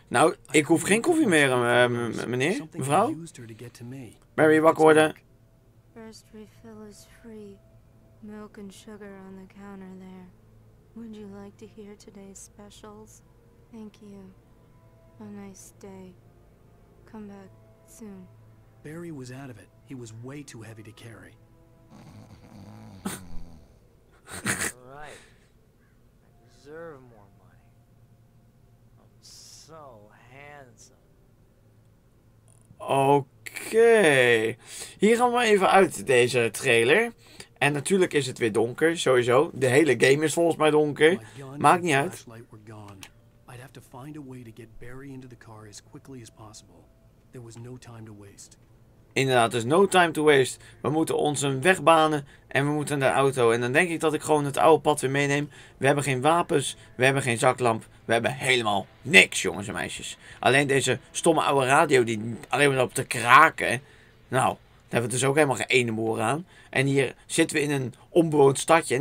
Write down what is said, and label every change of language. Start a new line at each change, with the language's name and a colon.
Dutch: Nou, ik hoef geen koffie meer, meneer, mevrouw. Barry, wakker worden.
English: First refill is free. Milk and sugar on the counter there. Would you like to hear today's specials? Thank you. A nice day. Come back soon. Barry was out of it. He was way too heavy to carry. Right. I deserve more money. I'm so handsome. Okay.
Dutch: Hier gaan we maar even uit deze trailer. En natuurlijk is het weer donker, sowieso. De hele game is volgens mij donker. Maakt niet uit.
English: I'd have to find a way to get Barry into the car as quickly as possible. There was no time to waste.
Dutch: Inderdaad,
English: there's no time to waste.
Dutch: We moeten ons een weg banen en we moeten naar de auto. En dan denk ik dat ik gewoon het oude pad weer meeneem. We hebben geen wapens, we hebben geen zaklamp. We hebben helemaal niks, jongens en meisjes. Alleen deze stomme oude radio die alleen maar op te kraken. Nou, daar hebben we dus ook helemaal geen ene boer aan. En hier zitten we in een onbewoond stadje.